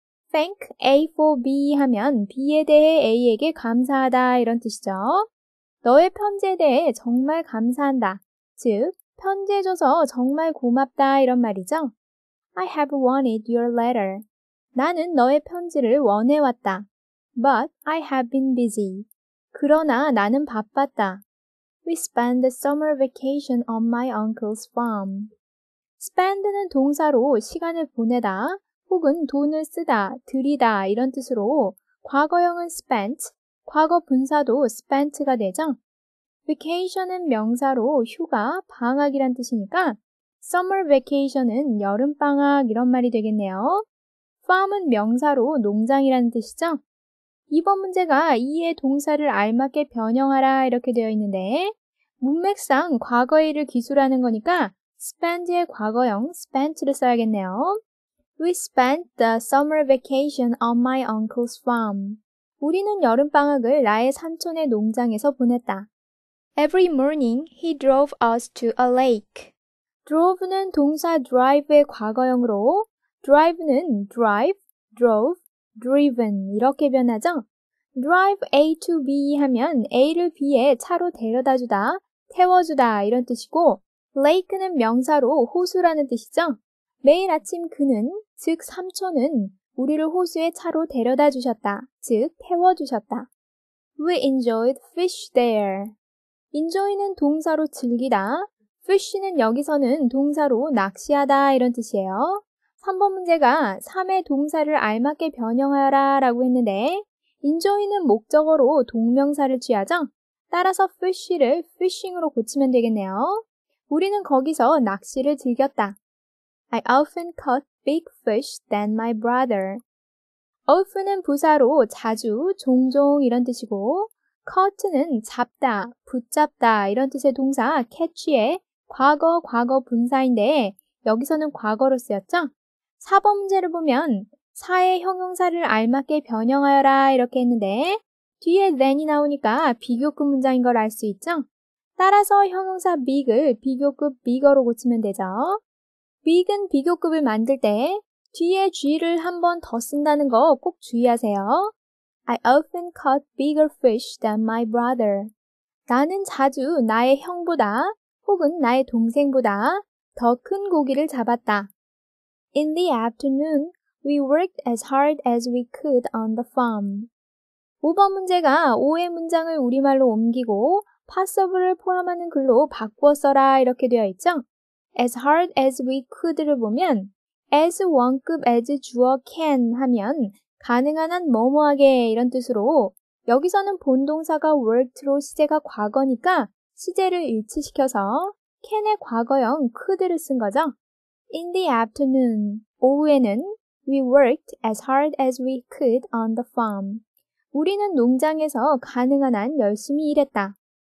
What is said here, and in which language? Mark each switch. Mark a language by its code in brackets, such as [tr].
[en] Thank A for B [ko] 하면 B에 대해 A에게 감사하다 이런 뜻이죠. 너의 편지에 대해 정말 감사한다. 즉, 편지해 줘서 정말 고맙다 이런 말이죠. [en] I have wanted your letter. [ko] 나는 너의 편지를 원해 왔다. [en] But I have been busy. [ko] 그러나 나는 바빴다. [en] We spend the summer vacation on my uncle's farm. [ko] Spend는 동사로 시간을 보내다 혹은 돈을 쓰다, 들이다 이런 뜻으로 과거형은 spent, 과거 분사도 spent가 되죠. Vacation은 명사로 휴가, 방학이란 뜻이니까 summer vacation은 여름방학 이런 말이 되겠네요. farm은 명사로 농장이라는 뜻이죠. 2번 문제가 이의 동사를 알맞게 변형하라 이렇게 되어 있는데 문맥상 과거의 일을 기술하는 거니까 spend의 과거형 spent를 써야겠네요. [en] We spent the summer vacation on my uncle's farm. [ko] 우리는 여름방학을 나의 삼촌의 농장에서 보냈다. [en] Every morning, he drove us to a lake. [ko] Drove는 동사 drive의 과거형으로, drive는 drive, drove, driven 이렇게 변하죠. Drive A to B 하면 A를 B에 차로 데려다 주다, 태워 주다 이런 뜻이고, lake는 명사로 호수라는 뜻이죠. 매일 아침 그는, 즉 삼촌은 우리를 호수에 차로 데려다 주셨다, 즉 태워 주셨다. [en] We enjoyed fish there. [ko] enjoy는 동사로 즐기다, fish는 여기서는 동사로 낚시하다 이런 뜻이에요. 3번 문제가 3의 동사를 알맞게 변형하라 라고 했는데 enjoy는 목적어로 동명사를 취하죠. 따라서 fish를 fishing으로 고치면 되겠네요. 우리는 거기서 낚시를 즐겼다. [en] I often caught big fish than my brother. [ko] often은 부사로 자주, 종종 이런 뜻이고 caught는 잡다, 붙잡다 이런 뜻의 동사 catch의 과거, 과거 분사인데 여기서는 과거로 쓰였죠? 4번 문제를 보면 사의 형용사를 알맞게 변형하여라 이렇게 했는데 뒤에 than이 나오니까 비교급 문장인 걸알수 있죠? 따라서 형용사 big을 비교급 bigger로 고치면 되죠. big은 비교급을 만들 때 뒤에 g를 한번더 쓴다는 거꼭 주의하세요. [en] I often caught bigger fish than my brother. [ko] 나는 자주 나의 형보다 혹은 나의 동생보다 더큰 고기를 잡았다. [en] In the afternoon, we worked as hard as we could on the farm. [ko] 5번 문제가 5의 문장을 우리말로 옮기고 possible을 포함하는 글로 바꾸어 써라 이렇게 되어 있죠? [en] As hard as we could [ko] 를 보면 as 원급 as 주어 can 하면 가능한 한 뭐뭐하게 이런 뜻으로 여기서는 본동사가 worked로 시제가 과거니까 시제를 일치시켜서 can의 과거형 could를 쓴 거죠. [en] In the afternoon, [ko] 오후에는 [en] we worked as hard as we could on the farm. [ko] 우리는 농장에서 가능한 한 열심히 일했다.